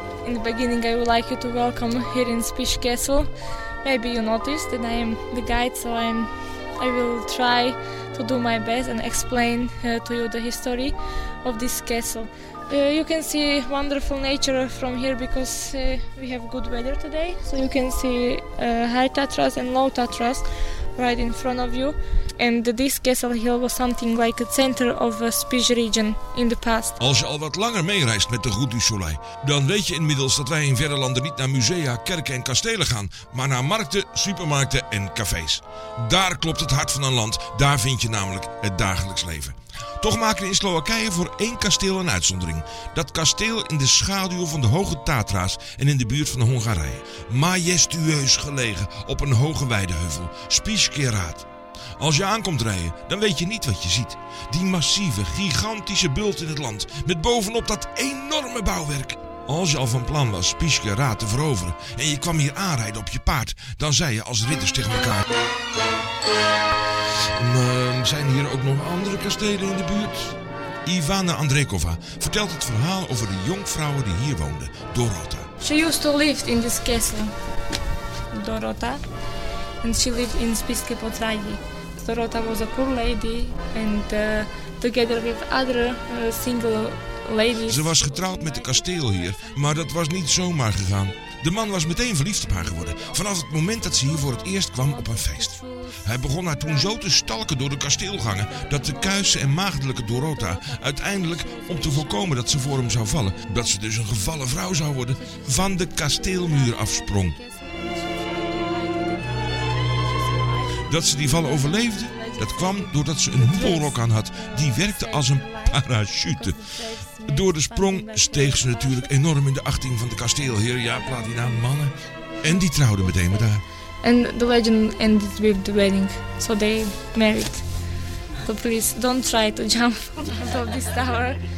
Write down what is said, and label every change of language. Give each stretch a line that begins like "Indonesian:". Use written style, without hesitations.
English: In the beginning, I would like you to welcome here in Spiš Castle. Maybe you noticed that I am the guide, so I will try to do my best and explain to you the history of this castle. You can see wonderful nature from here because we have good weather today. So you can see High Tatras and Low Tatras right in front of you. And this castle hill was something like a center of the Spiš region in the past.
Dutch: Als je al wat langer meereist met de Route du Soleil, dan weet je inmiddels dat wij in verre landen niet naar musea, kerken en kastelen gaan, maar naar markten, supermarkten en cafés. Daar klopt het hart van een land, daar vind je namelijk het dagelijks leven. Toch maken in Slowakije voor één kasteel een uitzondering. Dat kasteel in de schaduw van de Hoge Tatra's en in de buurt van Hongarije. Majestueus gelegen op een hoge weideheuvel, Spišský hrad. Als je aankomt rijden, dan weet je niet wat je ziet. Die massieve, gigantische bult in het land, met bovenop dat enorme bouwwerk. Als je al van plan was Spišský hrad te veroveren en je kwam hier aanrijden op je paard, dan zei je als ridders tegen elkaar... Zijn hier ook nog andere kastelen in de buurt? Ivana Andrejkova vertelt het verhaal over de jonkvrouwen die hier woonden, Dorota.
English: She used to live in this castle, Dorota, and she lived in Spišské Podhradie. Dorota was a poor lady and together with other single ladies.
Dutch: Ze was getrouwd met de kasteel hier, maar dat was niet zomaar gegaan. De man was meteen verliefd op haar geworden, vanaf het moment dat ze hier voor het eerst kwam op een feest. Hij begon haar toen zo te stalken door de kasteelgangen, dat de kuise en maagdelijke Dorota uiteindelijk, om te voorkomen dat ze voor hem zou vallen, dat ze dus een gevallen vrouw zou worden, van de kasteelmuur afsprong. Dat ze die val overleefde, dat kwam doordat ze een hoepelrok aan had, die werkte als een parachute. Door de sprong steeg ze natuurlijk enorm in de achting van de kasteelheer. Ja, Platina, mannen. En die trouwden meteen met haar.
English: And the legend ended with the wedding. So they married. So please, don't try to jump out of this tower.